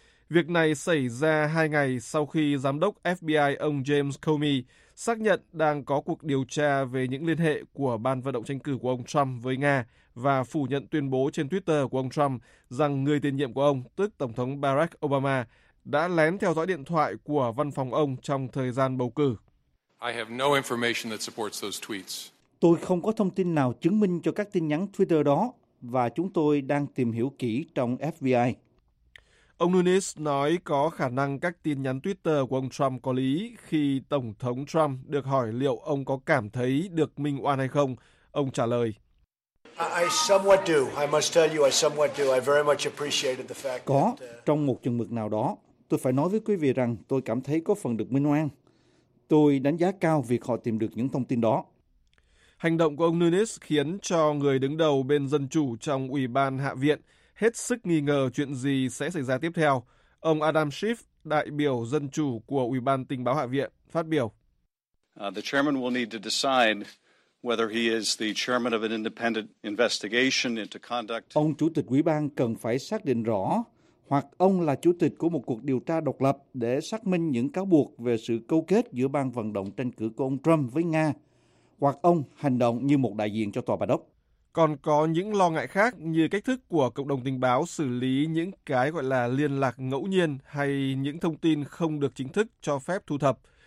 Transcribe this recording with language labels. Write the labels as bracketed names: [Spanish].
[Vietnamese] Việc này xảy ra 2 ngày sau khi giám đốc FBI ông James Comey xác nhận đang có cuộc điều tra về những liên hệ của ban vận động tranh cử của ông Trump với Nga và phủ nhận tuyên bố trên Twitter của ông Trump rằng người tiền nhiệm của ông, tức Tổng thống Barack Obama, đã lén theo dõi điện thoại của văn phòng ông trong thời gian bầu cử. [English] I have no information that supports those tweets. [Vietnamese] Tôi không có thông tin nào chứng minh cho các tin nhắn Twitter đó và chúng tôi đang tìm hiểu kỹ trong FBI. Ông Nunes nói có khả năng các tin nhắn Twitter của ông Trump có lý khi Tổng thống Trump được hỏi liệu ông có cảm thấy được minh oan hay không. Ông trả lời. Có, trong một chừng mực nào đó, tôi phải nói với quý vị rằng tôi cảm thấy có phần được minh oan. Tôi đánh giá cao việc họ tìm được những thông tin đó. Hành động của ông Nunes khiến cho người đứng đầu bên Dân Chủ trong Ủy ban Hạ viện hết sức nghi ngờ chuyện gì sẽ xảy ra tiếp theo. Ông Adam Schiff, đại biểu Dân Chủ của Ủy ban Tình báo Hạ viện, phát biểu. [English] The chairman will need to decide whether he is the chairman of an independent investigation into conduct. [Vietnamese] Ông Chủ tịch Ủy ban cần phải xác định rõ hoặc ông là chủ tịch của một cuộc điều tra độc lập để xác minh những cáo buộc về sự câu kết giữa ban vận động tranh cử của ông Trump với Nga, hoặc ông hành động như một đại diện cho Tòa Bạch Ốc. Còn có những lo ngại khác như cách thức của cộng đồng tình báo xử lý những cái gọi là liên lạc ngẫu nhiên hay những thông tin không được chính thức cho phép thu thập.